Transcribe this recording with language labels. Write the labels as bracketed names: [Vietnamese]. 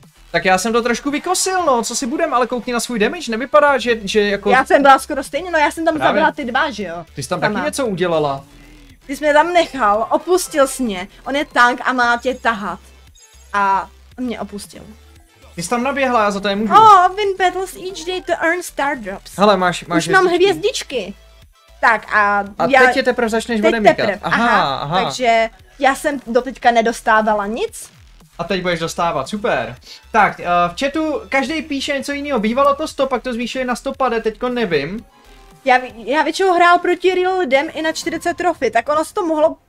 [Czech] Tak já jsem to trošku vykosil, no, co si budem, ale koukni na svůj damage, nevypadá, že jako... Já jsem byla skoro stejně, no já jsem tam zabila ty dva, že jo? Ty jsi tam taky něco udělala. Ty jsi mě tam nechal, opustil jsi mě, on je tank a má tě tahat. A mě opustil. Ty jsi tam naběhla, já za to nemůžu. [English] Oh, win battles each day to earn star drops. [Czech] Hele, máš hvězdičky. Mám hvězdičky. Tak a teď je teprve začneš bodem míkat. Aha. Takže já jsem doteďka nedostávala nic. A teď budeš dostávat, super. Tak, v chatu každý píše něco jiného. Bývalo to 100, pak to zvýšili na 150, teďko nevím. Já většinou hrál proti real lidem i na 40 trofy, tak ono se to mohlo